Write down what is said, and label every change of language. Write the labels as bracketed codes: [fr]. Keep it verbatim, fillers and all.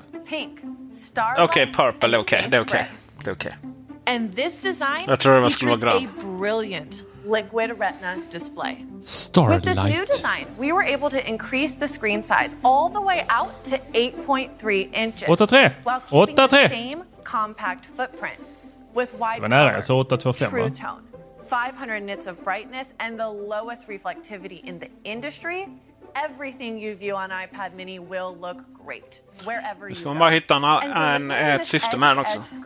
[sv] Okej, okay, purple, okej, okay, det är okej. Det är okej. [en] And this design [sv] jag tror det var skulle vara grön. [en] Liquid retina display. Starlight. With this new design, we were able to increase the screen size all the way out to eight point three inches. [sv] åtta komma tre. [en] While keeping [sv] åtta komma tre. [en] The same compact footprint with wide [sv] color, så åtta komma två fem, [en] true tone, five hundred nits of brightness and the lowest reflectivity in the industry. Everything you view on iPad Mini will look great wherever you [sv] ska man bara hitta en, en, ett syfte med den också.